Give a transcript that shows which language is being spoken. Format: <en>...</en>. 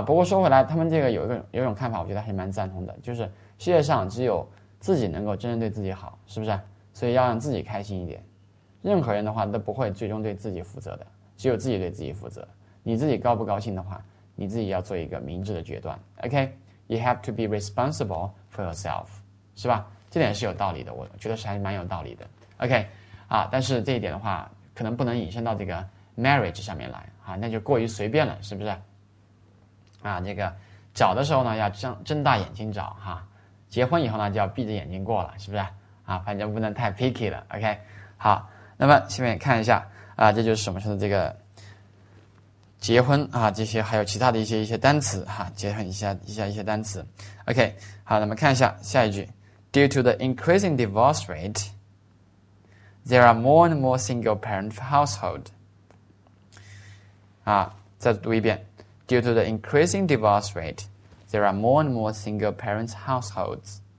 <zh>不过说回来，他们这个有一种看法，我觉得还是蛮赞同的，就是世界上只有自己能够真正对自己好，是不是？所以要让自己开心一点。任何人的话都不会最终对自己负责的，只有自己对自己负责。你自己高不高兴的话，你自己要做一个明智的决断。</zh> <en>OK， you have to be responsible for yourself，</en> <zh>是吧？这点是有道理的，我觉得是还蛮有道理的。OK， 啊，但是这一点的话，可能不能引申到这个 marriage 上面来啊，那就过于随便了，是不是？啊，这个找的时候呢，要睁大眼睛找哈、啊，结婚以后呢，就要闭着眼睛过了，是不是？啊，反正不能太 picky 了。OK， 好，那么下面看一下啊，这就是我们说的这个结婚啊，这些还有其他的一些单词哈、啊，结婚一些单词。 OK， 好，那么看一下下一句。</zh> <en>Due to the increasing divorce rate, there are more and more single-parent households.</en> <zh>啊，再读一遍。</zh> <en>Due to the increasing divorce rate, there are more and more single-parent households.</en>